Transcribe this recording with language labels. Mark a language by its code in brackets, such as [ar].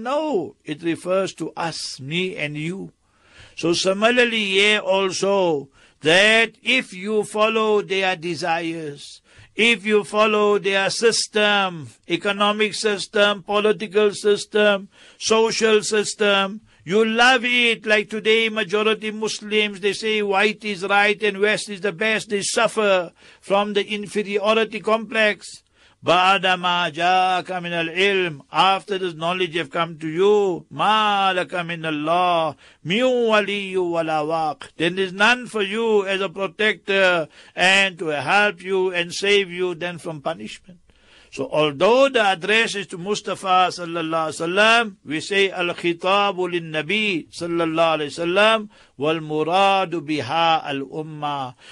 [en] No, it refers to us, me and you. So similarly, yeah, also, that if you follow their desires, if you follow their system, economic system, political system, social system, you love it, like today majority Muslims, they say white is right and west is the best, they suffer from the inferiority complex. [ar] بَعْدَ مَا جَاءَكَ مِنَ الْعِلْمِ. [en] After this knowledge have come to you, [ar] مَا لَكَ مِنَ اللَّهِ مِنْ وَلِيُّ وَلَا وَاقٍ. [en] Then there is none for you as a protector and to help you and save you then from punishment. So although the address is to Mustafa sallallahu alayhi wa sallam, we say [ar] الْخِطَابُ لِلنَّبِي [en] sallallahu alayhi wa sallam [ar] وَالْمُرَادُ بِهَا الْأُمَّةِ.